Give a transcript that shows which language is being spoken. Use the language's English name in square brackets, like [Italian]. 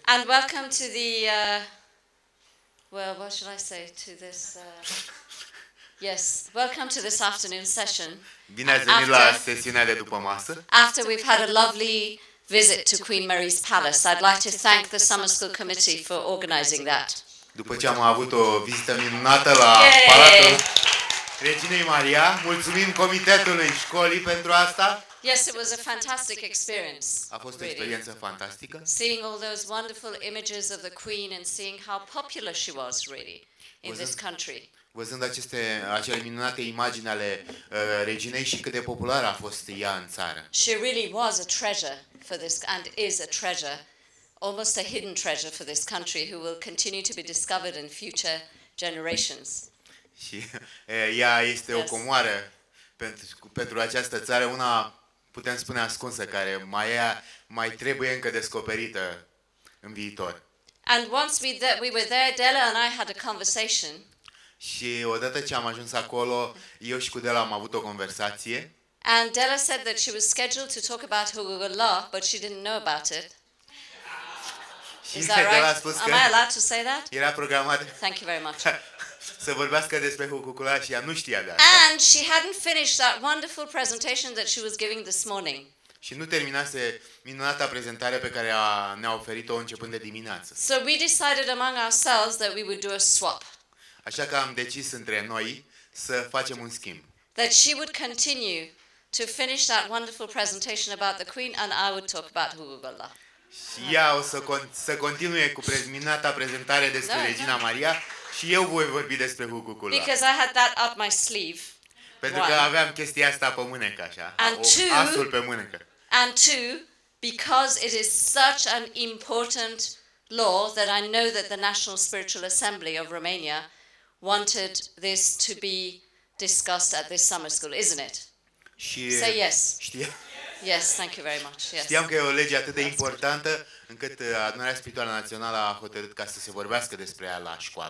[English] And welcome to the what should I say to this yes, welcome to this afternoon session. [Romanian] Bine ați venit la sesiunea de după masă. [English] After we've had a lovely visit to Queen Mary's Palace, I'd like to thank the Summer School Committee for organizing that. [Romanian] După ce am avut o vizită minunată la Palatul Reginei Maria, mulțumim comitetului școlii pentru asta. [English] Yes, it was a fantastic experience. [Romanian] A fost o experiență fantastică. [English] Seeing all those wonderful images of the Queen and seeing how popular she was really in this country. [Romanian] Văzând acele minunate imagini ale reginei și cât de populară a fost ea în țară. [English] She really was a treasure for this and is a treasure, almost a hidden treasure for this country who will continue to be discovered in future generations. [Romanian] Și ea este o comoară pentru această țară, una putem spune ascunsă, care mai trebuie încă descoperită în viitor. [English] And once we were there, Della and I had a conversation. [Romanian] Și odată ce am ajuns acolo, eu și cu Della am avut o conversație. [English] And Della said that she was scheduled to talk about Hulagullah, but she didn't know about it. Is that right? [Romanian] Spus că [English] am I allowed to say that? [Romanian] Era programat. [English] Thank you very much. [Romanian] Să vorbească despre Hulagullah și ea nu știa de asta. [English] And she hadn't finished that wonderful presentation that she was giving this morning. [Romanian] Și nu terminase minunata prezentare pe care ne-a oferit-o începând de dimineață. [English] So we decided among ourselves that we would do a swap. [Romanian] Așa că am decis între noi să facem un schimb. [English] That she would continue to finish that wonderful presentation about the Queen and I would talk about Hulagullah. [Romanian] Și ea o să continue cu minunata prezentare despre Regina Maria. Și eu voi vorbi despre Hulagullah. [English] Because I had that up my sleeve. [Romanian] Pentru că aveam chestia asta pe mânecă așa. [English] And two, [Romanian] asul pe mânecă. [English] And two, because it is such an important law that I know that the National Spiritual Assembly of Romania wanted this to be discussed at this summer school, isn't it? [Romanian] Și [English] say yes. [Romanian] Știa? [English] Yes, thank you very much. Yes. [Romanian] Știam că e o lege atât de importantă încât Adunarea Spirituală Națională a hotărât ca să se vorbească despre ea la școală.